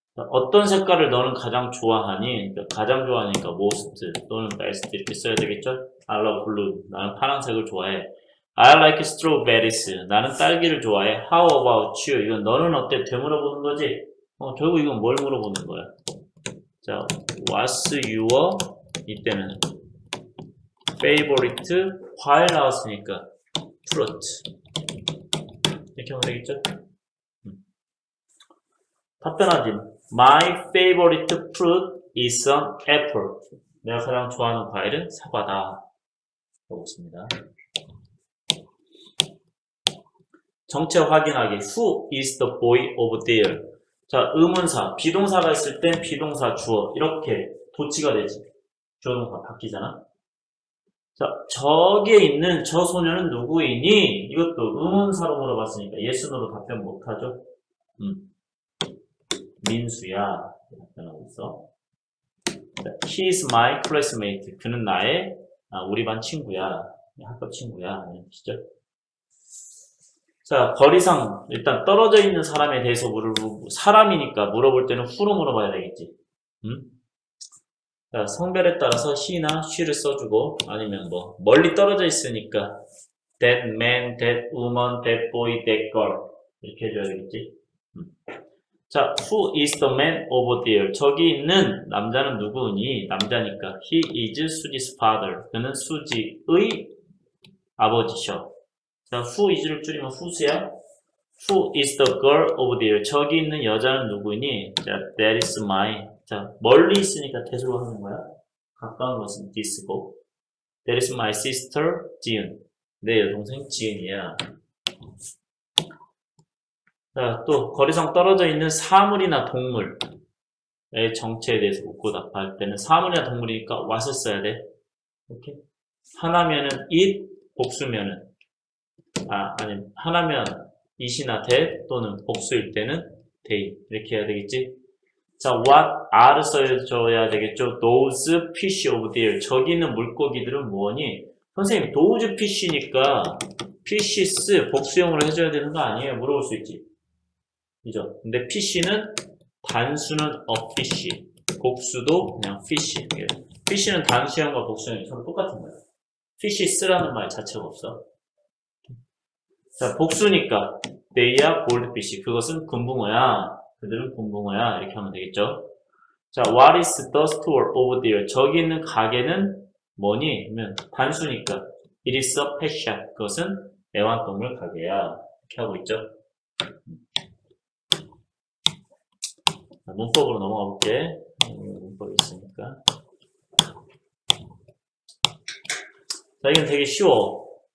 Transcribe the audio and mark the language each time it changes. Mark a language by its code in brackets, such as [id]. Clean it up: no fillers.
[ko] 어떤 색깔을 너는 가장 좋아하니? 가장 좋아하니까 most 또는 best 이렇게 써야 되겠죠? [en] I love blue. [ko] 나는 파란색을 좋아해. [en] I like strawberries. [ko] 나는 딸기를 좋아해. [en] How about you? [ko] 이건 너는 어때? 되물어보는 거지. 결국 이건 뭘 물어보는 거야? 자, what's your, 이때는, favorite, while 나왔으니까, fruit. 이렇게 하면 되겠죠? 답변하지. [en] My favorite fruit is an apple. [ko] 내가 가장 좋아하는 과일은 사과다. 하고 있습니다. 정체 확인하기. [en] Who is the boy over there? [ko] 자, 의문사, 비동사가 있을 땐 비동사 주어 이렇게 도치가 되지. 주어가 바뀌잖아. 자, 저기에 있는 저 소녀는 누구이니? 이것도 의문사로 물어봤으니까 예스 노로 답변 못하죠. 민수야 답변하고 있어. 자, [en] He is my classmate. [ko] 그는 나의 우리 반 친구야. 학급 친구야. 아시죠? 자, 거리상, 일단 떨어져 있는 사람에 대해서 물어보고, 사람이니까 물어볼 때는 후로 물어봐야 되겠지. 자, 성별에 따라서 he나 she를 써주고, 아니면 뭐, 멀리 떨어져 있으니까, [en] that man, that woman, that boy, that girl. [ko] 이렇게 해줘야 되겠지. [en] 자, who is the man over there? [ko] 저기 있는 남자는 누구니? 남자니까. [en] He is Suji's father. [ko] 그는 수지의 아버지셔. 자, who is를 줄이면 who's야? [en] Who is the girl over there? [ko] 저기 있는 여자는 누구니? [en] 자, that is my. [ko] 자, 멀리 있으니까 대수로 하는 거야. 가까운 것은 this고. [en] That is my sister, Jin. [ko] 내 여동생, [en] Jin이야. [ko] 자, 또 거리상 떨어져 있는 사물이나 동물의 정체에 대해서 묻고 답할 때는 사물이나 동물이니까 what을 써야 돼. 오케이. 하나면은 it, 복수면은 아니 하나면 it이나 that 또는 복수일 때는 they 이렇게 해야 되겠지? 자, what are 써줘야 되겠죠? [en] Those fish over there. [ko] 저기 있는 물고기들은 뭐니? 선생님, those fish니까 fishes 복수형으로 해줘야 되는 거 아니에요? 물어볼 수 있지. 그죠? 근데 fish는 단수는 a fish. 복수도 그냥 fish. fish는 단수형과 복수형이 서로 똑같은 거야. fishes라는 말 자체가 없어. [en] 자, 복수니까 they are gold fish. [ko] 그것은 금붕어야. 그들은 공부하야 이렇게 하면 되겠죠. [en] 자, what is the store over there? [ko] 저기 있는 가게는 뭐니? [en] 그러면 단수니까 it is a pet shop. [ko] 그것은 애완동물 가게야. 이렇게 하고 있죠. 문법으로 넘어가 볼게. 문법이 있으니까. 자, 이건 되게 쉬워.